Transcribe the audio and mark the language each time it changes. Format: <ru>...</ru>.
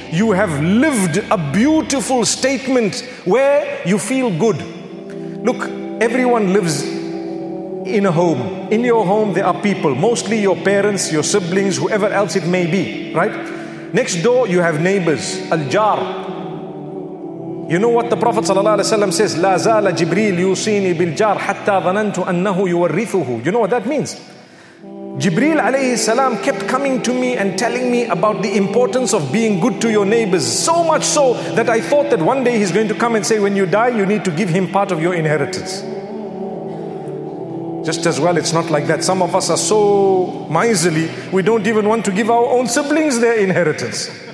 <en>You have lived a beautiful statement where you feel good. Look, everyone lives in a home. In your home, there are people, mostly your parents, your siblings, whoever else it may be, right? Next door, you have neighbors, al-jar. You know what the Prophet ﷺ says?</en> <ar>لا زال جبريل يوصيني بالجار حتى ظننت أنه يورثه.</ar> <en>You know what that means? Jibreel alayhi salam kept coming to me and telling me about the importance of being good to your neighbors, so much so that I thought that one day he's going to come and say, when you die, you need to give him part of your inheritance. Just as well, it's not like that. Some of us are so miserly, we don't even want to give our own siblings their inheritance.</en>